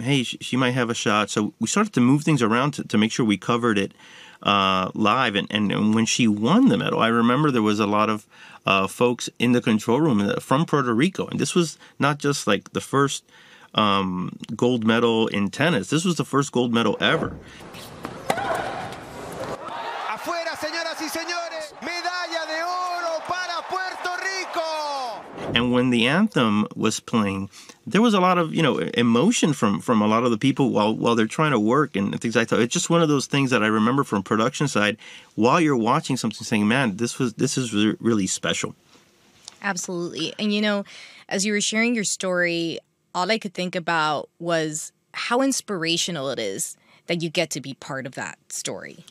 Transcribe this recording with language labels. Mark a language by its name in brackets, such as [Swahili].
[English] Hey, she might have a shot. So we started to move things around to make sure we covered it live. And when she won the medal, I remember there was a lot of folks in the control room from Puerto Rico. And this was not just like the first gold medal in tennis. This was the first gold medal ever. [Spanish] Afuera, señoras y señores, medalla de oro para Puerto Rico. [English] And when the anthem was playing, there was a lot of, you know, emotion from a lot of the people while they're trying to work and things like that. It's just one of those things that I remember from production side, while you're watching something, saying, man, this is really special. Absolutely. And, you know, as you were sharing your story, all I could think about was how inspirational it is that you get to be part of that story.